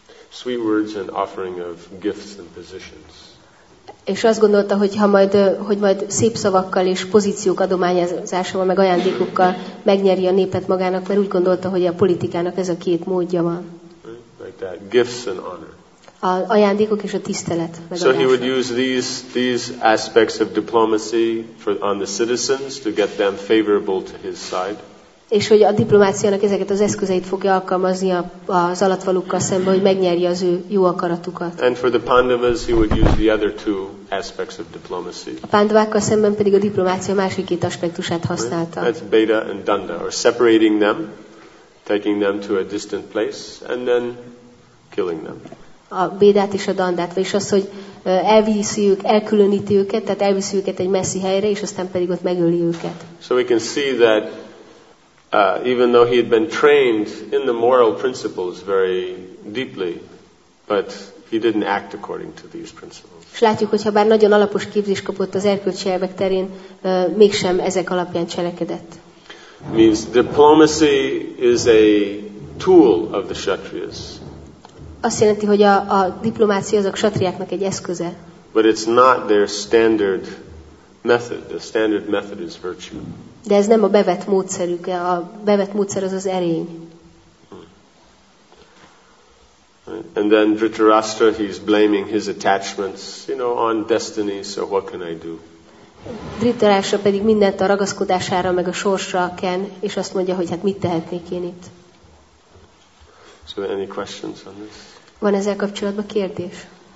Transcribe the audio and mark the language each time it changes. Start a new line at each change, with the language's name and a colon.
English: sweet words and offering of gifts and positions.
Hungarian: És azt gondolta, hogy majd szép szavakkal és pozíciók adományozásával meg ajándékokkal megnyeri a népet magának, mert úgy gondolta, hogy a politikának ez a két módja van.
English: Like that, gifts and honor.
Hungarian: A ajándékok és a tisztelet.
English: So he would use these aspects of diplomacy on the citizens to get them favorable to his side.
Hungarian: És hogy a diplomáciának ezeket az eszközeit fogja alkalmazni az alattvalókkal szemben, hogy megnyerje az ő jó akaratukat.
English: And for the Pandavas, he would use the other two aspects of diplomacy.
Hungarian: A Pándavákkal szemben pedig a diplomácia másik két aspektusát használta.
English: That's Beda and Danda, or separating them, taking them to a distant place, and then killing them.
Hungarian: A Bédát és a Dandát, vagyis az, hogy elkülöníti őket, tehát elviszi őket egy messzi helyre, és aztán pedig ott megöli őket.
English: So we can see that even though he had been trained in the moral principles very deeply, but he didn't act according to these principles.
Hungarian: És látjuk, hogy ha bár nagyon alapos képzést kapott az erkölcsi elvek terén, mégsem ezek alapján cselekedett.
English: Means diplomacy is a tool of the kshatriyas.
Hungarian: Azt jelenti, hogy a diplomácia az a kshatriáknak egy eszköze.
English: But it's not their standard method. The standard method is virtue.
Hungarian: De ez nem a bevett módszerük, a bevett módszer az az erény.
English: And then Dhritarashtra, he's blaming his attachments, you know, on destiny, so what can I do?
Hungarian: Dhritarashtra pedig mindent a ragaszkodására, meg a sorsra ken, és azt mondja, hogy hát mit tehetnék én itt.
English: So any questions on this?
Hungarian: Van ezzel kapcsolatban kérdés?